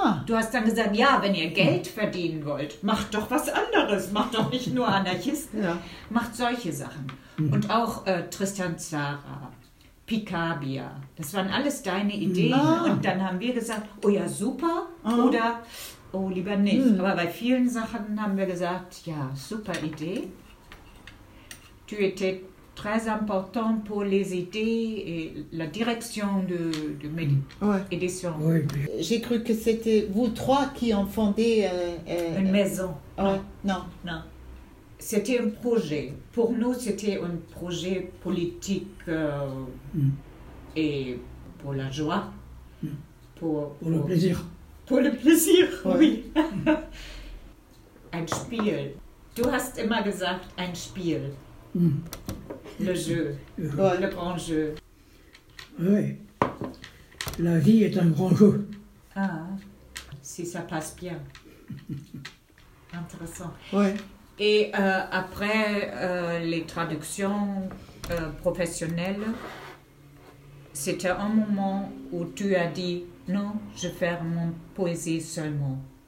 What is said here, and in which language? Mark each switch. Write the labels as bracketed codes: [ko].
[de] Du hast dann gesagt, ja, wenn ihr Geld verdienen wollt, macht doch was anderes, macht doch nicht nur Anarchisten, macht solche Sachen. Und auch Tristan Tzara. Picabia. Das waren alles deine Ideen. Ah. Und dann haben wir gesagt, oh ja, super, oder oh, lieber nicht. Mm. Aber bei vielen Sachen haben wir gesagt, ja, super Idee. [fr] Tu étais très important pour les idées et la direction de l'édition. Oui. J'ai cru que c'était vous trois qui ont fondé... une maison. Non. C'était un projet. Pour nous, c'était un projet politique et pour la joie. Pour le plaisir. Pour le plaisir, oui. [de] Ein Spiel. Du hast immer gesagt, ein Spiel. [fr] Le jeu. Le grand jeu. Oui. La vie est un grand jeu. Ah. si ça passe bien. Intéressant. Ouais. Et après les traductions professionnelles, c'était un moment où tu as dit non, je fais mon poésie seulement.